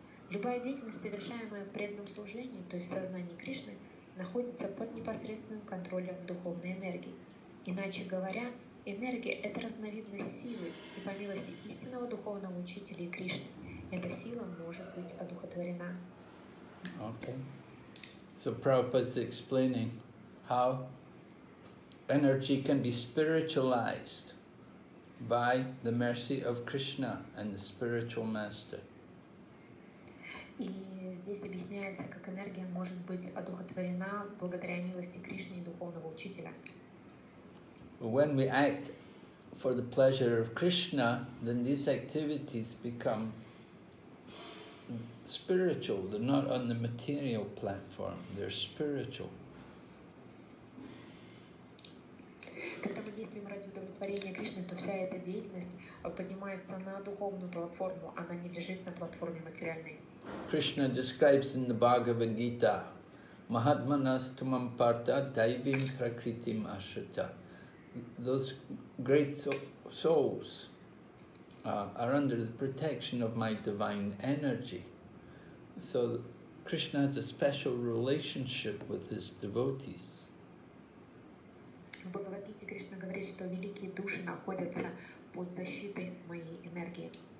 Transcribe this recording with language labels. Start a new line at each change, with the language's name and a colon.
Russian: Любая деятельность, совершаемая в преданном служении, то есть в сознании Кришны, находится под непосредственным контролем духовной энергии. Иначе говоря, энергия – это разновидность силы и по милости истинного духовного учителя и Кришны. Эта сила может быть одухотворена.
English: Okay. So Prabhupada is explaining how energy can be spiritualized by the mercy of Krishna and the spiritual master. И здесь объясняется, как энергия может быть одухотворена благодаря милости Кришны и духовного учителя. When we act for the pleasure of Krishna, then these activities become spiritual, they're not on the material platform, they're spiritual. Когда мы действуем ради удовлетворения Кришны, то вся эта деятельность поднимается на духовную платформу, она не лежит на платформе материальной. Krishna describes in the Bhagavad Gita,
Sanskrit: Mahatmanas tumam parta daivim prakritim ashrita.
English: Those great souls are under the protection of my divine energy. So Krishna has a special relationship with his devotees.
Russian: В Бхагавад Гите Кришна говорит, что великие души находятся под защитой моей энергии.